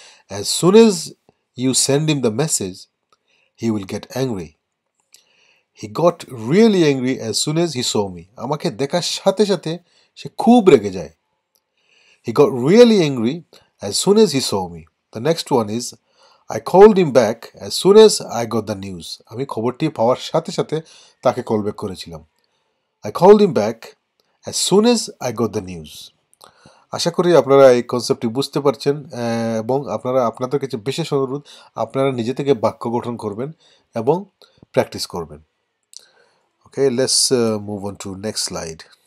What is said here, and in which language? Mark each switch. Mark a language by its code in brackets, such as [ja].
[en] as soon as you send him the message he will get angry, he got really angry as soon as he saw me, [bn] আমাকে দেখার সাথে সাথে সে খুব রেগে যায়। [en] He got really angry as soon as he saw me. The next one is I called him back as soon as I got the news. [bn] আমি খবরটি পাওয়ার সাথে সাথে তাকে কল ব্যাক করেছিলাম। [en] I called him back as soon as I got the news. [bn] আশা করি আপনারা এই কনসেপ্টটি বুঝতে পারছেন, এবং আপনারা আপনাদের কাছে বিশেষ অনুরোধ, আপনারা নিজে থেকে বাক্য গঠন করবেন এবং প্র্যাকটিস করবেন। [en] Okay, let's move on to next slide.